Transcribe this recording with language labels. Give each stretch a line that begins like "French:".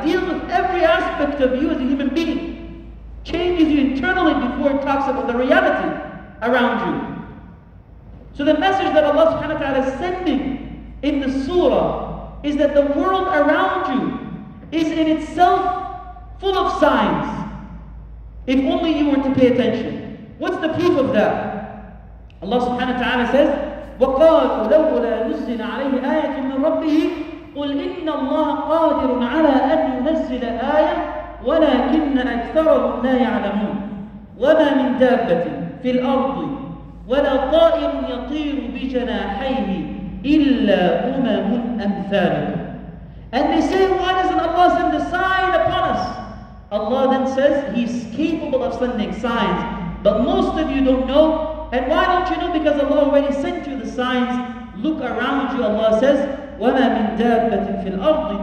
English: It deals with every aspect of you as a human being. Changes you internally before it talks about the reality around you. So the message that Allah subhanahu wa ta'ala is sending in the surah is that the world around you is in itself full of signs, if only you were to pay attention. What's the proof of that? Allah subhanahu wa ta'ala says,
Arabic: وَقَالُوا لَوْلَا نُزِّلَ عَلَيْهِ آيَةٌ مِّن رَبِّهِ قُلْ إِنَّ اللَّهَ قَادِرٌ عَلَىٰ أَنْ يُنَزِّلَ آيَةٌ وَلَكِنَّ أَكْثَرَهُمْ لَا يَعْلَمُونَ وَمَا مِن دَابَّةٍ فِي الْأَرْضِ وَلَا طَائِرٌ يَطِيرُ بِجَنَاحَيْهِ إِلَّا أُمَمٌ أَمْثَالُكُمْ.
English: And they say, why doesn't Allah send a sign upon us? Allah then says, He's capable of sending signs, but most of you don't know. And why don't you know? Because Allah already sent you the signs. Look around you, Allah says,
Arabic: وَمَا مِن دَابَّةٍ فِي الْأَرْضِ.